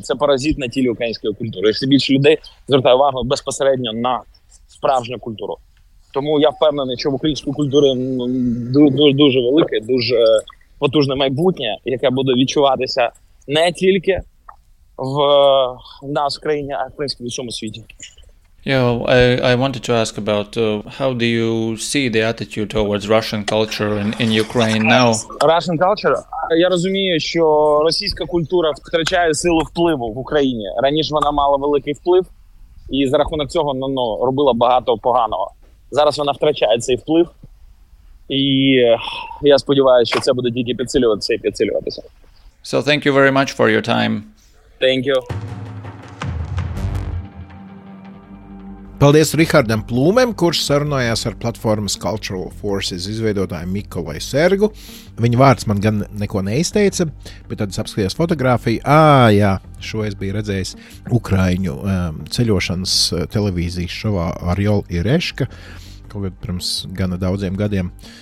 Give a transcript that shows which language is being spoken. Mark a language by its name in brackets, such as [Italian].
[Ukrainian] Це паразит на тілі української культури. І все більше людей звертає увагу безпосередньо на справжню культуру. Тому я впевнений, що в українській культурі дуже велике, дуже потужне майбутнє, яке буде відчуватися не тільки в нас, в країні, а в принципі в усьому світі. [English] Yeah, I wanted to ask about how do you see the attitude towards Russian culture in Ukraine now? Russian culture? [Ukrainian] Я розумію, що російська культура втрачає силу впливу в Україні. Раніше вона мала великий вплив і за рахунок цього ну, робила багато поганого. Зараз вона втрачає цей вплив, і я сподіваюся, що це буде тільки підсилюватися і підсилюватися. [English] So thank you very much for your time. Thank you. [Latvian] Paldies Richardam Plūmem, kurš sarunājās ar platformas Cultural Forces izveidotāju Mikolai Sergu. Viņa vārds man gan neko neizteica, bet tad es apskatījos fotogrāfiju. Ā, jā, šo es biju redzējis Ukraiņu ceļošanas televīzijas šovā ar Joli Ireška, kaut kad pirms gana daudziem gadiem.